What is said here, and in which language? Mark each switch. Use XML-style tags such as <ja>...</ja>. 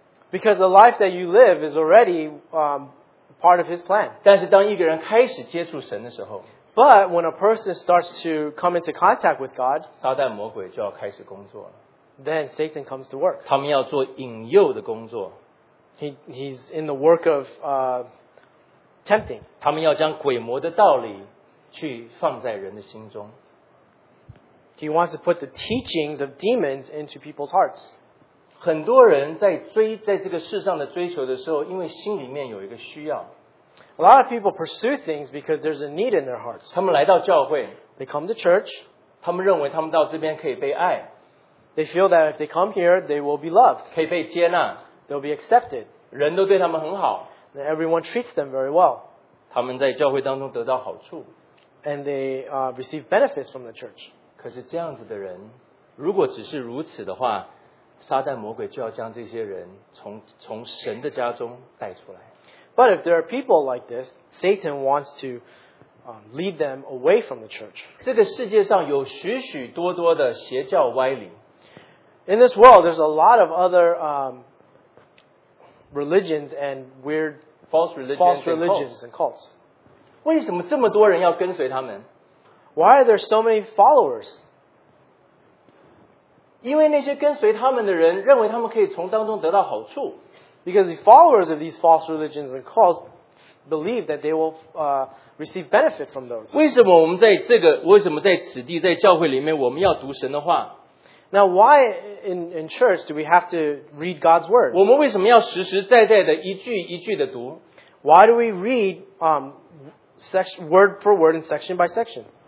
<en>Because the life that you live is already part of his plan.</en> <zh>但是当一个人开始接触神的时候,</zh> <en>but when a person starts to come into contact with God,</en> <zh>撒旦魔鬼就要开始工作了。</zh> <en>Then Satan comes to work.</en> <zh>他们要做引诱的工作。</zh> <en>He's in the work of tempting.</en> <zh>他们要将鬼魔的道理去放在人的心中。</zh> <en>He wants to put the teachings of demons into people's hearts.</en> <zh>很多人在这个世上的追求的时候，因为心里面有一个需要。</zh> <en>A lot of people pursue things because there's a need in their hearts.</en> <zh>他们来到教会,</zh> <en>they come to church.</en> <zh>他们认为他们到这边可以被爱。</zh> <en>They feel that if they come here, they will be loved.</en> <zh>可以被接纳,</zh> <en>they'll be accepted.</en> <zh>人都对他们很好,</zh> <en>and everyone treats them very well.</en> <zh>他们在教会当中得到好处,</zh> <en>and they receive benefits from the church.</en> <zh>可是这样子的人, 如果只是如此的话, 撒旦魔鬼就要将这些人从神的家中带出来。</zh> <en>But if there are people like this, Satan wants to lead them away from the church.</en> <zh>这个世界上有许许多多的邪教歪理。</zh> <en>In this world, there's a lot of other religions and weird false religions and cults.</en> <zh>为什么这么多人要跟随他们?</zh> <en>Why are there so many followers?</en> <zh>因为那些跟随他们的人认为他们可以从当中得到好处。</zh> <en>Because the followers of these false religions and cults believe that they will receive benefit from those.</en> <zh>为什么我们在此地在教会里面我们要读神的话?</zh> <en>Now, why in church do we have to read God's word?</en> <zh>我们为什么要实实在在的一句一句的读?</zh> <en>Why do we read section, word for word and section by section?</en>